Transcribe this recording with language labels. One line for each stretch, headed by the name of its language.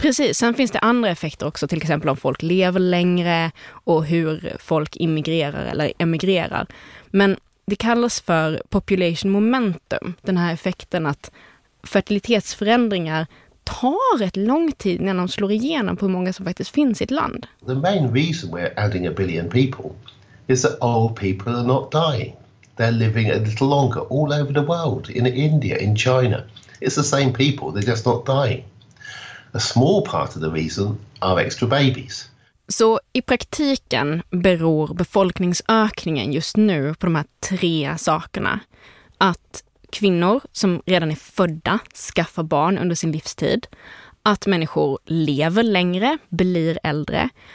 Swedish: Precis, sen finns det andra effekter också, till exempel om folk lever längre och hur folk immigrerar eller emigrerar. Men det kallas för population momentum, den här effekten att fertilitetsförändringar tar ett lång tid när de slår igenom på hur många som faktiskt finns i ett land.
English: The main reason we're adding a billion people is that old people are not dying. They're living a little longer all over the world, in India, in China. It's the same people, they're just not dying. A small part of the reason are extra babies.
Swedish: Så i praktiken beror befolkningsökningen just nu på de här tre sakerna. Att kvinnor som redan är födda skaffar barn under sin livstid. Att människor lever längre, blir äldre.